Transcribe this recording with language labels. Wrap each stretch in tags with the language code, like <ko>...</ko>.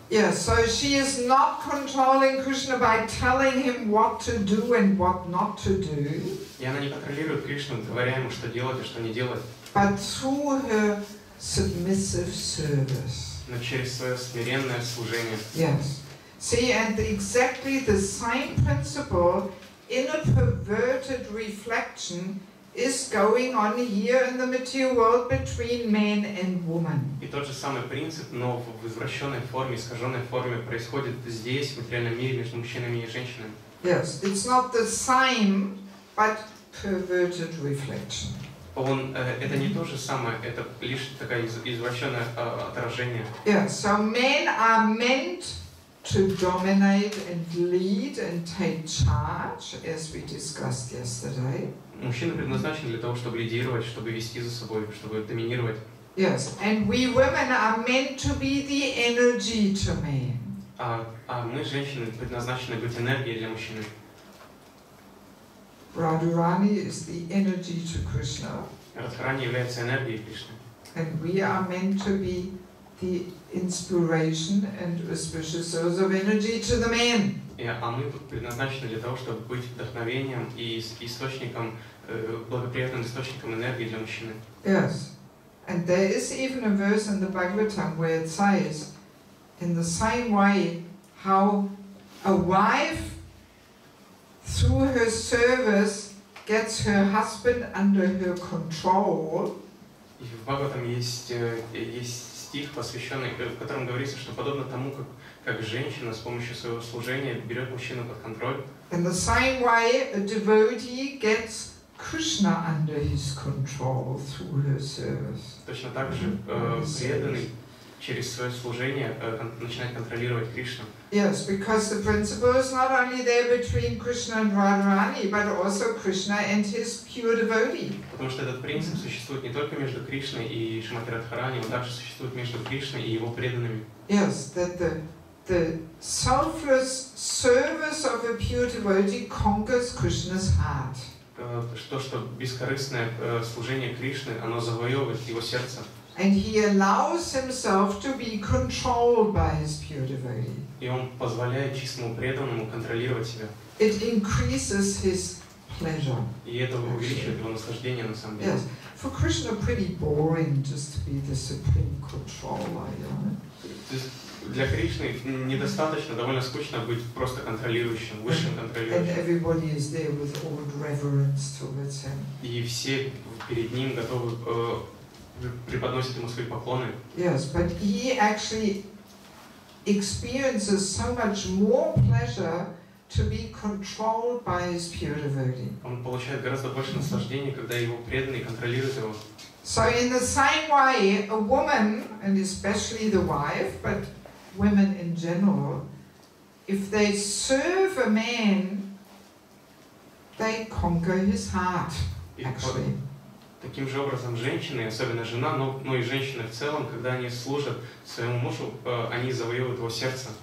<en>Yes, so she is not controlling Krishna by telling him what to do and what not to do.</en> <ru>И она не контролирует Кришну, говоря ему, что делать и что не делать.</ru> <en>But through her submissive service.</en> <ru>Но через свое смиренное служение.</ru> <en>Yes. See, and exactly the same principle in a perverted reflection is going on here in the material world between man and woman.</en> <ru>И тот же самый принцип, но в извращенной форме, искаженной форме, происходит здесь, в материальном мире, между мужчинами и женщинами.</ru> <en>Yes, it's not the same, but perverted reflection.</en> <ru>Это не то же самое, это лишь такое извращенное отражение.</ru> <en>Yeah, so men are meant to dominate and lead and take charge, as we discussed yesterday.</en> <ru>Мужчина предназначен для того, чтобы лидировать, чтобы вести за собой, чтобы доминировать.</ru> <en>Yes, and we women are meant to be the energy to men.</en> <ru>А мы, женщины, предназначены быть энергией для мужчины.</ru> <en>Radharani is the energy to Krishna.</en> <ru>Радхарани является энергией Кришны.</ru> <en>And we are meant to be the inspiration and auspicious source of energy to the man.</en> <ru>А мы предназначены для того, чтобы быть вдохновением и источником, благоприятным источником энергии для мужчины.</ru> <en>Yes. And there is even a verse in the Bhagavatam where it says, in the same way, how a wife through her service gets her husband under her control.</en> <ru>И в Бхагаватам есть стих, посвященный, в котором говорится, что подобно тому, как женщина с помощью своего служения берет мужчину под контроль.</ru> <en>In the same way, a devotee gets Krishna under his control through her service.</en> <ru>Точно так же преданный через свое служение начинает контролировать Кришну.</ru> <en>Yes, because the principle is not only there between Krishna and Radharani, but also Krishna and his pure devotee.</en> <ru>Потому что этот принцип существует не только между Кришной и Шримати Радхарани, он также существует между Кришной и его преданными.</ru> <en>Yes, that the selfless service of a pure devotee conquers Krishna's heart.</en> <ru>Что бескорыстное служение Кришны, оно завоевывает его сердце.</ru> <en>And he allows himself to be controlled by his pure devotee.</en> <ru>И он позволяет чистому преданному контролировать себя.</ru> <en>It increases his pleasure.</en> <ru>И это увеличивает его наслаждение на самом деле.</ru> <en>Yes, for Krishna, pretty boring just to be the supreme controller. You know?</en> <ru>То есть для Кришны недостаточно, довольно скучно быть просто контролирующим, высшим контролирующим.</ru> <en>And everybody is there with all reverence towards him.</en> <ru>И все перед ним готовы преподносит ему свои поклоны.</ru> <en>Yes, but he actually experiences so much more pleasure to be controlled by his pure devotee.</en> <ru>Он получает гораздо больше наслаждения, когда его преданный контролирует его.</ru> <en>So in the same way, a woman, and especially the wife, but women in general, if they serve a man, they conquer his heart, actually.</en> <ru>Таким же образом, женщины, особенно жена, но и женщины в целом, когда они служат своему мужу, они завоевывают его сердце.</ru>